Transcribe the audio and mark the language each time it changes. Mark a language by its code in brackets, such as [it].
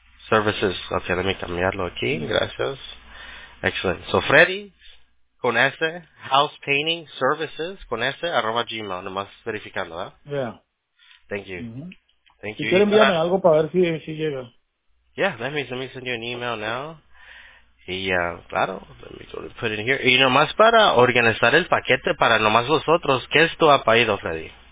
[en] Services. Okay, let me [es] cambiarlo aquí. [en] Yeah. [es] Gracias. [en] Excellent. So, Freddy. [es] Con S, House Painting Services, con S, @gmail, nomás verificando, ¿verdad? [en] Yeah. Thank you. Mm-hmm. Thank you. [es] Si quiere enviarme algo para ver si llega. [en] Yeah, let me send you an email now. [es] Y, claro, [en] let me go to put it in here. [es] Y nomás para organizar el paquete para nomás los otros, ¿qué es tu apellido, Freddy?